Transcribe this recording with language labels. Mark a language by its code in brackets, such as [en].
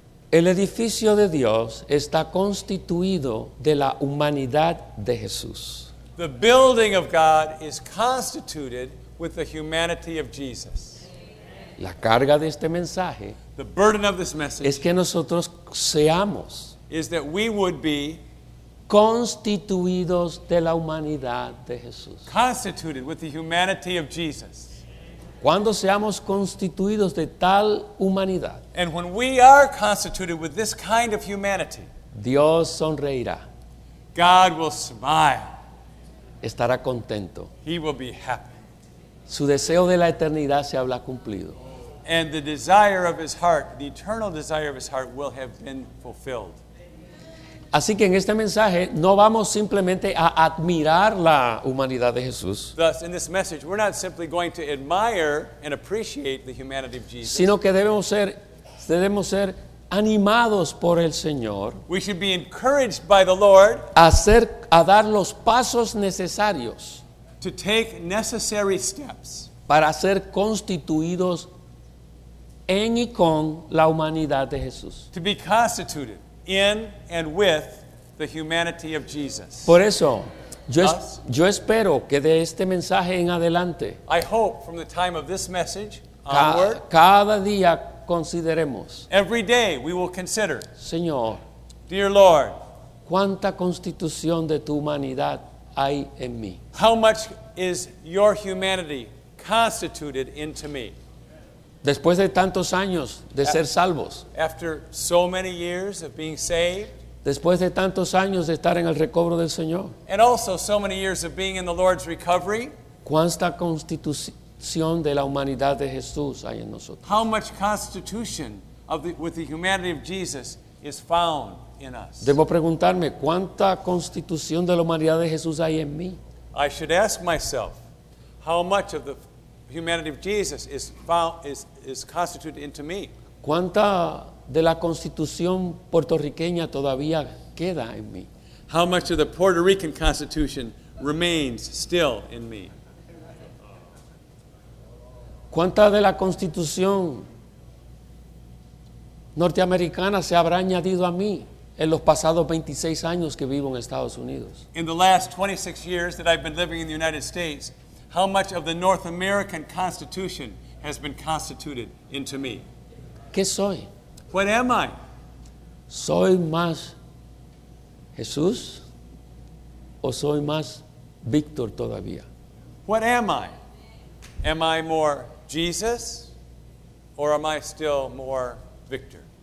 [es] El edificio de Dios está constituido de la humanidad de Jesús. [en] The building of God is constituted with the humanity of Jesus. [es] La carga de este mensaje, [en] the burden of this message, [es] es que nosotros seamos, [en] is that we would be, [es] constituidos de la humanidad de Jesús. [en] Constituted with the humanity of Jesus. [es] Cuando seamos constituidos de tal humanidad. [en] And when we are constituted with this kind of humanity. [es] Dios sonreirá. [en] God will smile. [es] Estará contento. [en] He will be happy. [es] Su deseo de la eternidad se habrá cumplido. [en] And the desire of his heart, the eternal desire of his heart will have been fulfilled. [es] Así que en este mensaje no vamos simplemente a admirar la humanidad de Jesús. [en] Thus, in this message, we're not simply going to admire and appreciate the humanity of Jesus. [es] Sino que debemos ser animados por el Señor. [en] We should be encouraged by the Lord. [es] A dar los pasos necesarios. [en] To take necessary steps. [es] Para ser constituidos en y con la humanidad de Jesús. [en] To be constituted in and with the humanity of Jesus. [es] Por eso, yo espero que de este mensaje en adelante, [en] I hope from the time of this message onward, [es] cada día consideremos, [en] every day we will consider, [es] Señor, [en] dear Lord, [es] ¿cuánta constitución de tu humanidad hay en mí? [en] How much is your humanity constituted into me? [es] Después de tantos años de ser salvos. [en] After so many years of being saved. [es] Después de tantos años de estar en el recobro del Señor. [en] And also so many years of being in the Lord's recovery. [es] ¿Cuánta constitución de la humanidad de Jesús hay en nosotros? [en] How much constitution with the humanity of Jesus is found in us? [es] Debo preguntarme, ¿cuánta constitución de la humanidad de Jesús hay en mí? [en] I should ask myself, how much of the humanity of Jesus is constituted into me. [es] ¿Cuánta de la constitución puertorriqueña todavía queda en mí? [en] How much of the Puerto Rican constitution remains still in me? [es] ¿Cuánta de la constitución norteamericana se habrá añadido a mí en los pasados 26 años que vivo en Estados Unidos? [en] In the last 26 years that I've been living in the United States, how much of the North American Constitution has been constituted into me? [es] ¿Qué soy? [en] What am I? [es] ¿Soy más Jesús o soy más Víctor todavía? [en] What am I? Am I more Jesus or am I still more Victor?